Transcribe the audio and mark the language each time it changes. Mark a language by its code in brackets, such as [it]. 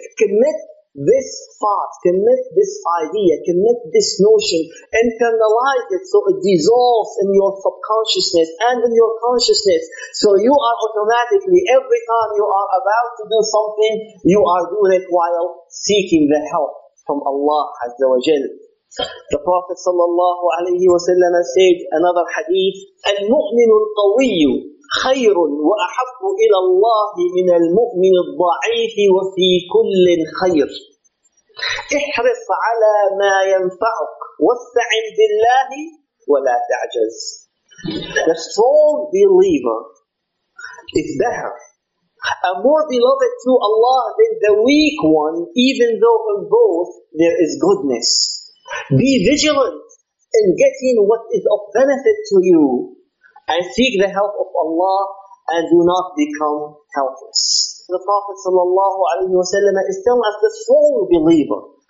[en] Commit this thought, commit this idea, commit this notion, internalize it so it dissolves in your subconsciousness and in your consciousness. So you are automatically, every time you are about to do something, you are doing it while seeking the help from Allah Azza wa Jal. The Prophet sallallahu alayhi wa sallam said another hadith, [ar] الْمُؤْمِنُ الْقَوِيُّ خَيْرٌ وَأَحَبُّ إِلَى اللَّهِ مِنَ الْمُؤْمِنِ الضَّعِيفِ وَفِي كُلٍ خَيْرٌ احْرِصْ عَلَى مَا يَنْفَعُكْ وَاسْتَعِنْ بِاللَّهِ وَلَا تَعْجَزْ. [en] The strong believer is better and more beloved to Allah than the weak one, even though in both there is goodness. Be vigilant in getting what is of benefit to you, and seek the help of Allah, and do not become helpless. The Prophet sallallahu alaihi wasallam is telling us, the strong believer,